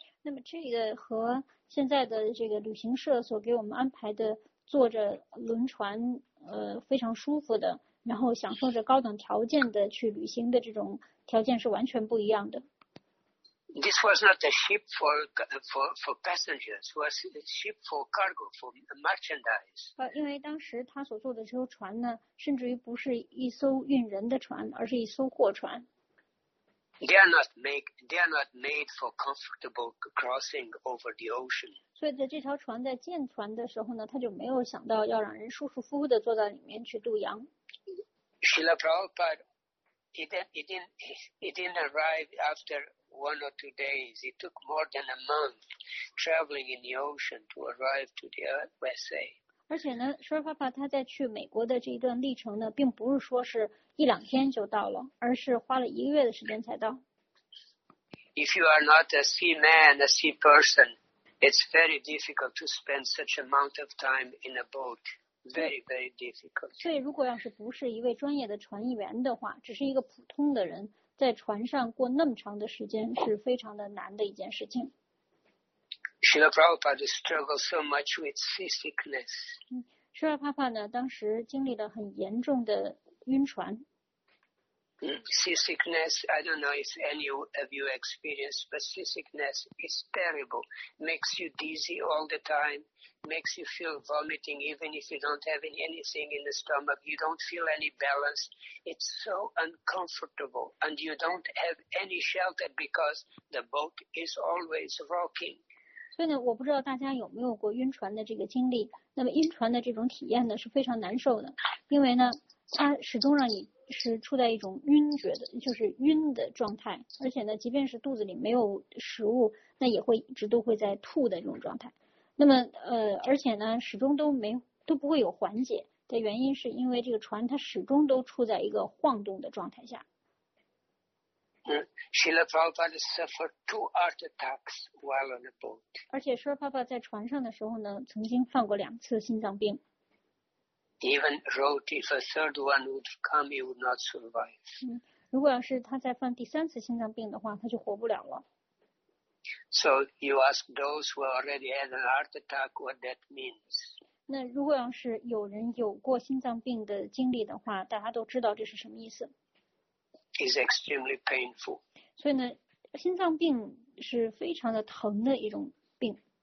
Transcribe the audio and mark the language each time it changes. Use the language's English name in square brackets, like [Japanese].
[Chinese] 那么这个和现在的这个旅行社所给我们安排的坐着轮船非常舒服的，然后享受着高等条件的去旅行的这种条件是完全不一样的。 [English] This was not a ship for passengers. It was a ship for cargo, for merchandise. [Chinese] 因为当时他所坐的这艘船呢，甚至于不是一艘运人的船，而是一艘货船。 [English] They are not made for comfortable crossing over the ocean. [Chinese] 所以在这条船在建船的时候呢，他就没有想到要让人舒舒服服的坐在里面去渡洋。 [English] Srila Prabhupada, it didn't arrive after one or two days. It took more than a month traveling in the ocean to arrive to the USA. [Chinese] 而且呢，舒尔爸爸他在去美国的这一段历程呢，并不是说是一两天就到了，而是花了一个月的时间才到。 [English] If you are not a seaman, a sea person, it's very difficult to spend such amount of time in a boat. Very, very difficult. [Chinese] 所以，如果要是不是一位专业的船员的话，只是一个普通的人，在船上过那么长的时间是非常的难的一件事情。 [English] Srila Prabhupada struggled so much with seasickness. [Chinese] Srila Prabhupada 当时经历了很严重的晕船。 [English] Seasickness, I don't know if any of you experienced, but seasickness is terrible. Makes you dizzy all the time, makes you feel vomiting even if you don't have anything in the stomach. You don't feel any balance. It's so uncomfortable, and you don't have any shelter because the boat is always rocking. [Chinese] 所以呢，我不知道大家有没有过晕船的这个经历。那么晕船的这种体验呢，是非常难受的，因为呢，它始终让你是处在一种晕厥的，就是晕的状态。而且呢，即便是肚子里没有食物，那也会一直都会在吐的这种状态。那么而且呢，始终都不会有缓解的原因，是因为这个船它始终都处在一个晃动的状态下。 [English] Srila Prabhupada suffered 2 heart attacks while on a boat. [Chinese] 而且舒尔爸爸在船上的时候呢，曾经犯过两次心脏病。 [English] He even wrote, if a third one would come, he would not survive. [Chinese] 如果要是他再犯第三次心脏病的话，他就活不了了。 [English] So you ask those who already had an heart attack what that means. [Chinese] 那如果要是有人有过心脏病的经历的话，大家都知道这是什么意思。 [English] Is extremely painful. [Chinese] 所以呢，心脏病是非常的疼的一种病。